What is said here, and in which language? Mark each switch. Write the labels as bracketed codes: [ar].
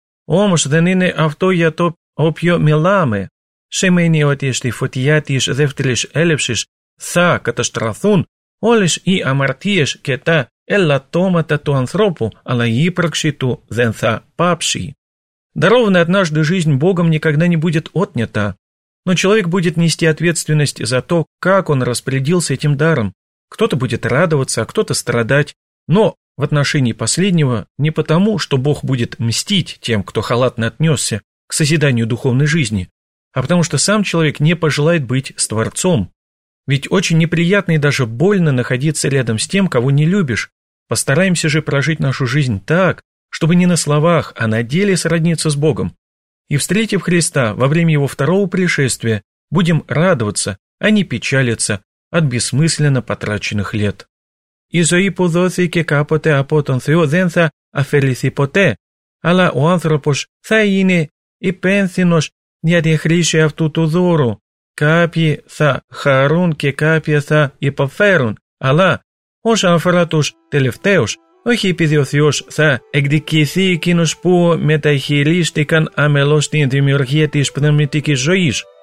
[el] Όμως δεν είναι αυτό για το οποίο μιλάμε. Σημαίνει ότι στη φωτιά της δεύτερης έλευσης θα καταστραθούν όλες οι αμαρτίες και τα ελαττώματα του ανθρώπου, αλλά η ύπαρξη του δεν θα πάψει. [ru] Дарованная однажды жизнь Богом никогда не будет отнята, но человек будет нести ответственность за то, как он распорядился этим даром. Кто-то будет радоваться, а кто-то страдать. Но в отношении последнего не потому, что Бог будет мстить тем, кто халатно отнесся к созиданию духовной жизни, а потому что сам человек не пожелает быть с Творцом. Ведь очень неприятно и даже больно находиться рядом с тем, кого не любишь. Постараемся же прожить нашу жизнь так, чтобы не на словах, а на деле сродниться с Богом. И встретив Христа во время Его второго пришествия, будем радоваться, а не печалиться, от бессмысленно потраченных лет. [el] «Η ζωή που δόθηκε κάποτε από τον Θεό δεν θα αφαιρεθεί ποτέ, αλλά ο άνθρωπος θα είναι υπεύθυνος για τη χρήση αυτού του δώρου. Κάποιοι θα χαρούν και κάποιοι θα υποφέρουν, αλλά όσον αφορά τους τελευταίους, όχι επειδή ο Θεός θα εκδικηθεί εκείνους που μεταχειρίστηκαν αμελώς την δημιουργία της πνευματικής ζωής».